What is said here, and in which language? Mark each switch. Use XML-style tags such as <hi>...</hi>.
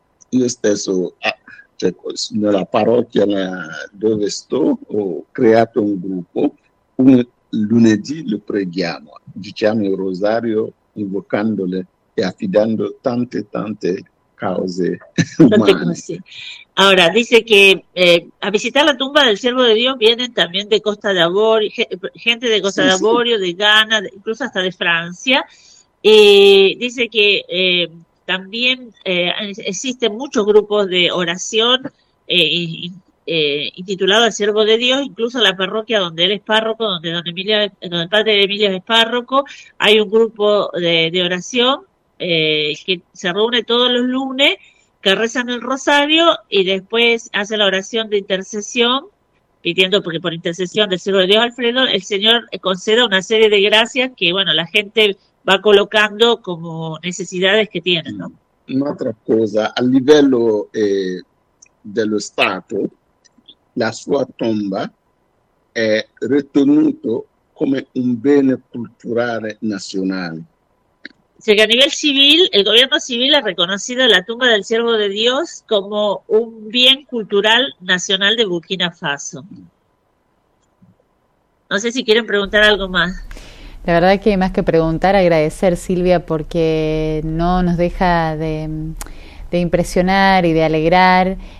<it>Io stesso, nella parrocchia dove sto, ho creato un gruppo. Un lunedì lo preghiamo, diciamo il rosario, invocandole e affidando tante, tante cause umane.</it> <es>Ahora, dice que a visitar la tumba del siervo de Dios vienen también de Costa de Avorio, gente de Costa sí, de Avorio, sí. De Ghana, incluso hasta de Francia. Dice que también existen muchos grupos de oración intitulado al siervo de Dios, incluso la parroquia donde él es párroco, donde el padre Emilio es párroco, hay un grupo de oración que se reúne todos los lunes, que rezan el rosario y después hace la oración de intercesión, pidiendo, porque por intercesión del siervo de Dios Alfredo, el Señor conceda una serie de gracias que, bueno, la gente va colocando como necesidades que tienen, ¿no?</es> <it>Un'altra cosa, a livello dello Stato, la sua tomba è ritenuto come un bene culturale nazionale.</it> <es>Sé que a nivel civil, el gobierno civil ha reconocido la tumba del siervo de Dios como un bien cultural nacional de Burkina Faso. No sé si quieren preguntar algo más. La verdad que más que preguntar, agradecer, Silvia, porque no nos deja de impresionar y de alegrar.</es>